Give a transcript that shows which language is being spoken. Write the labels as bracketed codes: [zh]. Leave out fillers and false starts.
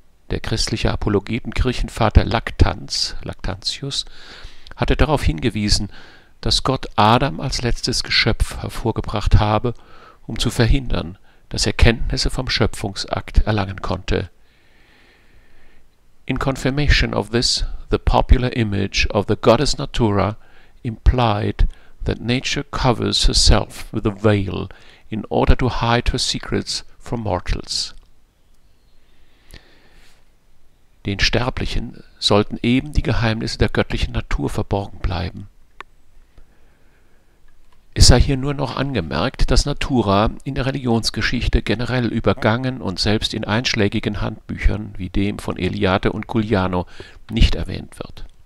[de] Der christliche Apologetenkirchenvater Lactantius hatte darauf hingewiesen, dass Gott Adam als letztes Geschöpf hervorgebracht habe, um zu verhindern, dass er Kenntnisse vom Schöpfungsakt erlangen konnte. [en] In confirmation of this, the popular image of the goddess Natura implied that nature covers herself with a veil in order to hide her secrets from mortals. [de] Den Sterblichen sollten eben die Geheimnisse der göttlichen Natur verborgen bleiben. Es sei hier nur noch angemerkt, dass Natura in der Religionsgeschichte generell übergangen und selbst in einschlägigen Handbüchern wie dem von Eliade und Giuliano nicht erwähnt wird.